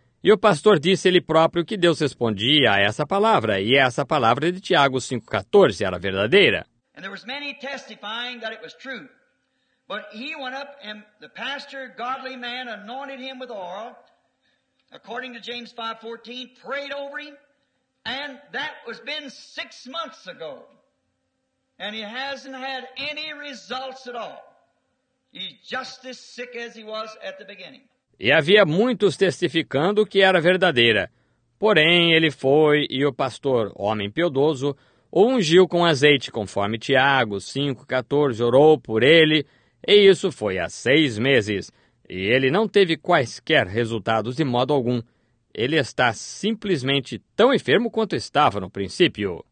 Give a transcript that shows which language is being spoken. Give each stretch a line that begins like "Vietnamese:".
Portuguese: E o pastor disse ele próprio que Deus respondia a essa palavra, e essa palavra de Tiago 5:14 era verdadeira.
English: And there was many testifying that it was true. But he went up and the pastor, godly man, anointed him with oil, according to James 5:14, prayed over him, and that was been 6 months ago. And he hasn't had any results at all. He's just as sick as he was at the beginning.
Portuguese: E havia muitos testificando que era verdadeira. Porém, ele foi e o pastor, homem piedoso, o ungiu com azeite, conforme Tiago 5:14 orou por ele, e isso foi há 6 meses. E ele não teve quaisquer resultados de modo algum. Ele está simplesmente tão enfermo quanto estava no princípio.